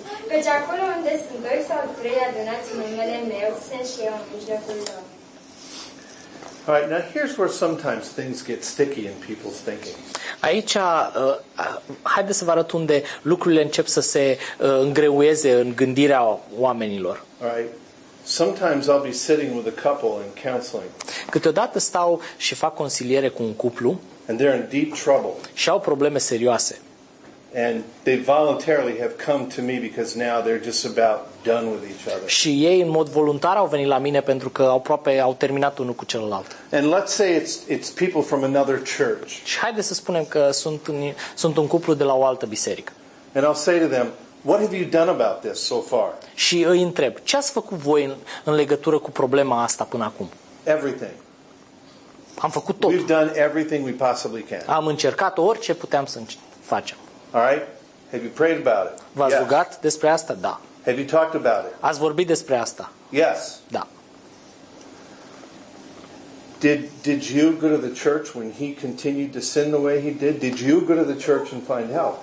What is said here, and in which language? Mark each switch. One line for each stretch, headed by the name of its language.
Romanian: Căci acolo unde sunt doi sau trei adunați în numele meu, sunt și eu în mijlocul lor.
English: All right, now here's where sometimes things get sticky in people's thinking.
Romanian: Aici, haideți să vă arăt unde lucrurile încep să se îngreuieze în gândirea oamenilor.
English: All right. Sometimes I'll be sitting with a couple in counseling.
Romanian: Câteodată stau și fac consiliere cu un cuplu.
English: And they're in deep trouble.
Romanian: Și au probleme serioase.
English: And they voluntarily have come to me because now they're just about done with each other.
Romanian: Și ei în mod voluntar au venit la mine pentru că aproape au terminat unul cu celălalt.
English: And let's say it's people from another church.
Romanian: Și haideți să spunem că sunt un cuplu de la o altă biserică.
English: And I'll say to them, what have you done about this so far?
Romanian: Și îi întreb, ce ați făcut voi în legătură cu problema asta până acum?
English: Everything.
Romanian: Am făcut tot.
English: We've done everything we possibly can.
Romanian: Am încercat orice puteam să facem.
English: All right? Have you prayed about it?
Romanian: V-ați rugat despre asta? Da.
English: Have you talked about it?
Romanian: Ați vorbit despre asta?
English: Yes.
Romanian: Da.
English: Did you go to the church when he continued to sin the way he did? Did you go to the church and find help?